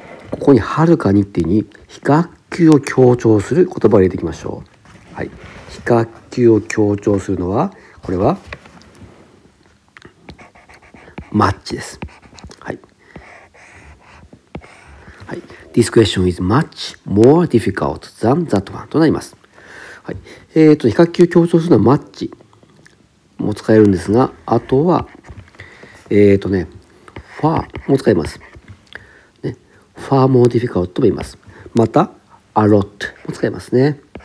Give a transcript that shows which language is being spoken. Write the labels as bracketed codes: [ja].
[ja] ここにはるかにっていうに比較級を強調する言葉を入れていきましょう。はい、比較級を強調するのはこれはマッチです。 [en] はい、はい、This question is much more difficult than that one [ja] となります。はい、比較級を強調するのはマッチも使えるんですが、あとはfar も使えます。 [en] Far more difficult [ja] とも言います。また、a lot も使いますね。